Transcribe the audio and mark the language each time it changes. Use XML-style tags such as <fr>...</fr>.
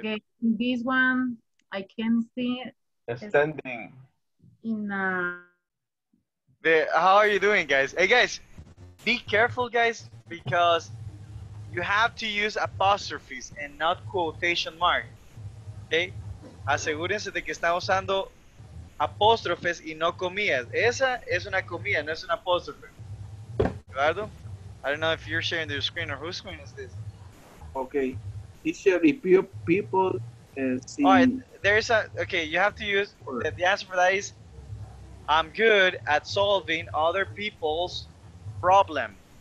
<en>Okay, this one I can see. Standing. How are you doing, guys? Hey, guys, be careful, guys, because you have to use apostrophes and not quotation mark. Okay?</en> <es>Asegúrense de que están usando apóstrofes y no comillas. Esa es una comilla, no es un apóstrofe.</es> <en>Eduardo, I don't know if you're sharing your screen or whose screen is this. Okay, it should be people. You have to use, the answer for that is, I'm good at solving other people's problem.</en>